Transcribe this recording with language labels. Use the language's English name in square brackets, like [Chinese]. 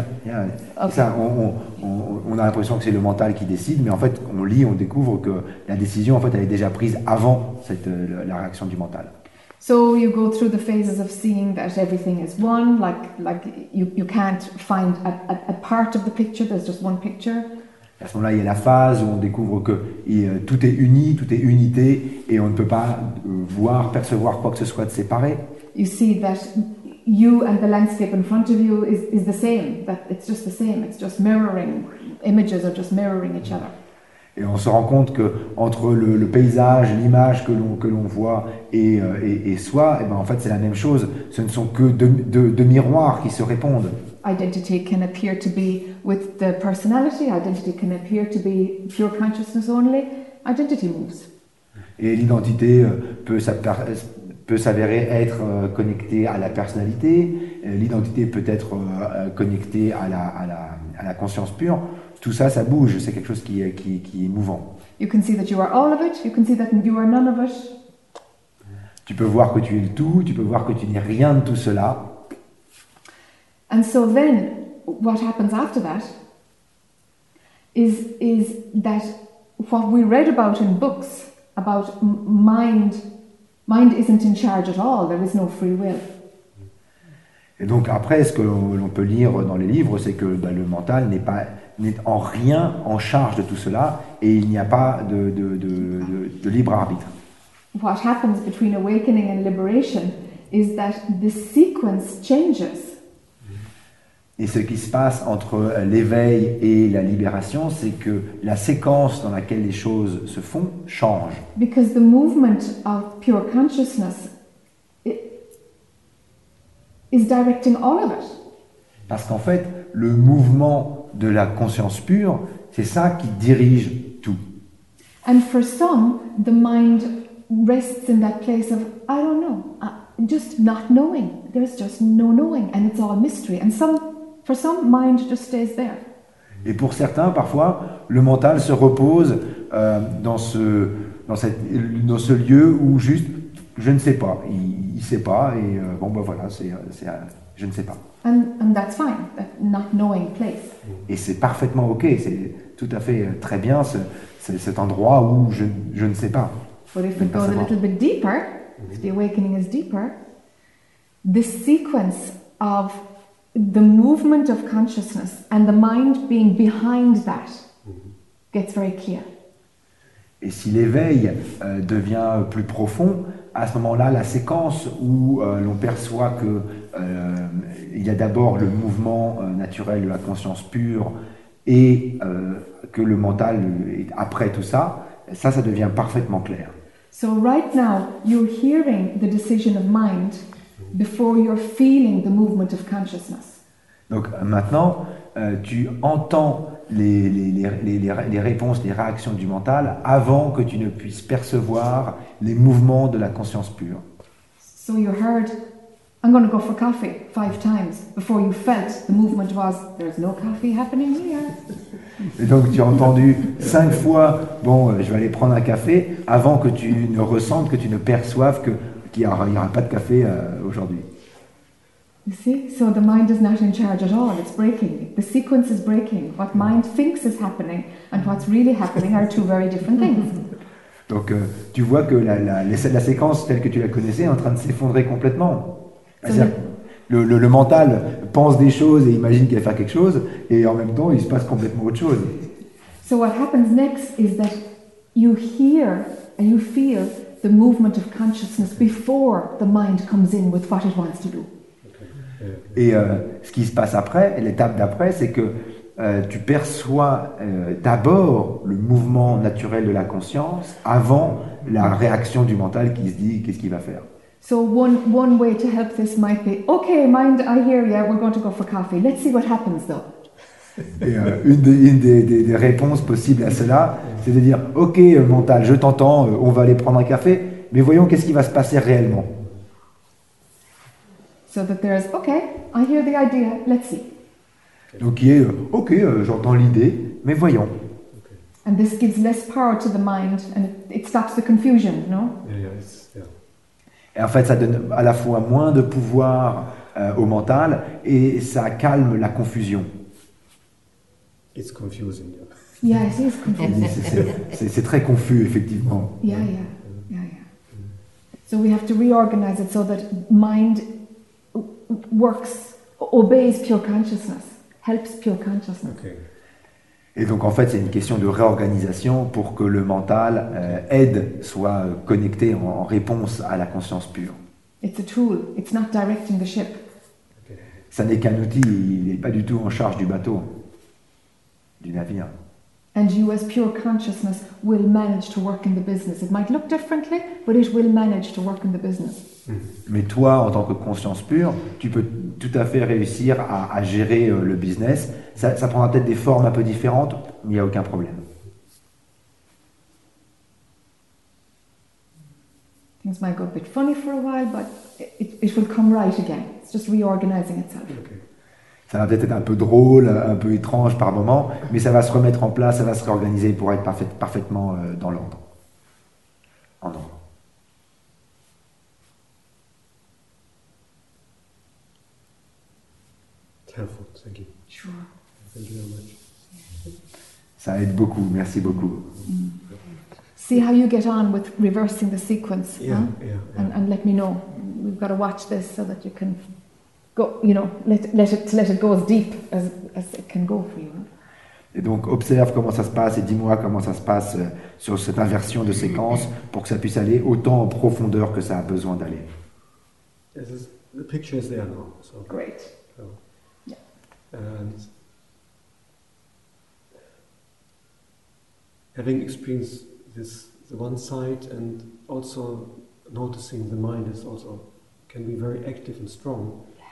[English] Yeah. [French] Okay. Ça, on a l'impression que c'est le mental qui décide, mais en fait, on lit, on découvre que la décision, en fait, elle est déjà prise avant la réaction du mental. [English] So you go through the phases of seeing that everything is one, like you can't find a part of the picture, there's just one picture. [French] À ce moment-là, il y a la phase où on découvre que tout est uni, tout est unité, et on ne peut pas voir, percevoir quoi que ce soit de séparé. [English] You see that you and the landscape in front of you is the same, that it's just the same, it's just mirroring, images are just mirroring each other. [French] Et on se rend compte que entre le paysage, l'image que l'on voit et soi, et ben en fait c'est la même chose, ce ne sont que deux miroirs qui se répondent. [English] Identity can appear to be with the personality, identity can appear to be pure consciousness only, identity moves. [French] Et l'identité peut s'avérer être connectée à la personnalité, l'identité peut être connectée à la conscience pure, tout ça, ça bouge, c'est quelque chose qui est mouvant. [English] You can see that you are all of it, you can see that you are none of it. [French] Tu peux voir que tu es le tout, tu peux voir que tu n'es rien de tout cela. [English] And so then, what happens after that is that what we read about in books about mind isn't in charge at all. There is no free will. [French] Et donc après, ce que l'on peut lire dans les livres, c'est que ben, le mental n'est en rien en charge de tout cela, et il n'y a pas de libre arbitre. [English] What happens between awakening and liberation is that the sequence changes. [French] Et ce qui se passe entre l'éveil et la libération, c'est que la séquence dans laquelle les choses se font change. [English] Because the movement of pure consciousness is directing all of it. [French] Parce qu'en fait, le mouvement de la conscience pure, c'est ça qui dirige tout. [English] And for some, the mind rests in that place of I don't know, just not knowing. There's just no knowing, and it's all a mystery. And some For some, mind just stays there. [French] Et pour certains, parfois, le mental se repose dans ce lieu où juste Je ne sais pas. Il ne sait pas. Et bon, ben voilà, c'est je ne sais pas. [English] And that's fine, not knowing place. [French] Et c'est parfaitement OK. C'est tout à fait très bien cet endroit où je ne sais pas. [English] But if we go a little bit deeper, if the awakening is deeper, the sequence of the movement of consciousness and the mind being behind that gets very clear. [French] Et si l'éveil devient plus profond, à ce moment-là, la séquence où l'on perçoit que il y a d'abord le mouvement naturel de la conscience pure et que le mental est après tout ça, ça devient parfaitement clair. [English] So right now, you're hearing the decision of mind before you're feeling the movement of consciousness. [French] Donc maintenant, tu entends les réponses, les réactions du mental avant que tu ne puisses percevoir les mouvements de la conscience pure. [English] So you heard, I'm going to go for coffee 5 times before you felt the movement was there's no coffee happening here. [French] Et donc tu as entendu 5 fois, bon, je vais aller prendre un café avant que tu ne ressentes, que tu ne perçoives qu'il n'y aura pas de café aujourd'hui. [English] You see, so the mind is not in charge at all. It's breaking. The sequence is breaking. What mind thinks is happening and what's really happening are 2 very different things. [French] Donc, tu vois que la séquence telle que tu la connaissais est en train de s'effondrer complètement. C'est-à-dire, le mental pense des choses et imagine qu'il va faire quelque chose, et en même temps, il se passe complètement autre chose. [English] So what happens next is that you hear and you feel the movement of consciousness before the mind comes in with what it wants to do. [French] Et ce qui se passe après, l'étape d'après, c'est que tu perçois d'abord le mouvement naturel de la conscience avant la réaction du mental qui se dit qu'est-ce qu'il va faire. [English] So one way to help this might be, okay, mind, I hear you, we're going to go for coffee. Let's see what happens though. [French] Et une des réponses possibles à cela, c'est de dire, okay, mental, je t'entends, on va aller prendre un café, mais voyons qu'est-ce qui va se passer réellement. [English] So that there is okay, I hear the idea. Let's see. [French] Donc il y a okay, j'entends l'idée, mais voyons. [English] Okay. And this gives less power to the mind, and it stops the confusion, no? Yeah. [French] Et en fait, ça donne à la fois moins de pouvoir au mental et ça calme la confusion. [English] It's confusing. Yeah, it is confusing. [French] c'est très confus, effectivement. [English] Yeah. So we have to reorganize it so that mind works, obeys pure consciousness, helps pure consciousness. Okay. [French] Et donc en fait, c'est une question de réorganisation pour que le mental aide, soit connecté en réponse à la conscience pure. [English] It's a tool, it's not directing the ship. Okay. [French] Ça n'est qu'un outil, il n'est pas du tout en charge du bateau, du navire. [English] And you as pure consciousness will manage to work in the business. It might look differently, but it will manage to work in the business. [French] Mais toi, en tant que conscience pure, tu peux tout à fait réussir à gérer le business. Ça prendra peut-être des formes un peu différentes, mais il n'y a aucun problème. [English] Things might go a bit funny for a while, but it will come right again. It's just reorganizing itself. Okay. [French] Ça va peut-être être un peu drôle, un peu étrange par moment, mais ça va se remettre en place, ça va se réorganiser pour être parfaitement dans l'ordre. En ordre. [English] Helpful, thank you. Sure. Thank you very much. [French] Ça aide beaucoup, merci beaucoup. [English] See how you get on with reversing the sequence, yeah, huh? Yeah. And let me know. We've got to watch this so that you can go, you know, let it go as deep as it can go for you. [French] Et donc observe comment ça se passe et dis-moi comment ça se passe sur cette inversion de séquence pour que ça puisse aller autant en profondeur que ça a besoin d'aller. [English] Yes, the picture is there now. So. Great. And having experienced this, the one side, and also noticing the mind is also can be very active and strong.